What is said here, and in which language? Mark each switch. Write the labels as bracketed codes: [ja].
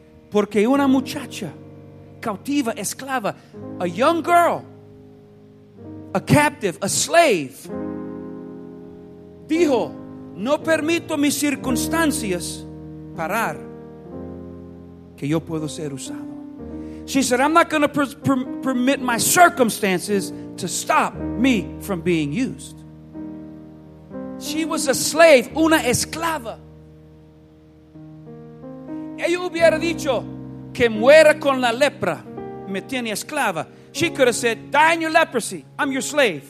[es] Porque una muchacha, cautiva, esclava, [en] a young girl, a captive, a slave, [es] dijo, no permito mis circunstancias parar que yo puedo ser usado. [en] She said, I'm not going to permit my circumstances to stop me from being used. She was a slave, [es] una esclava. Ella hubiera dicho, que muera con la lepra, me tiene esclava. [en] She could have said, die in your leprosy, I'm your slave.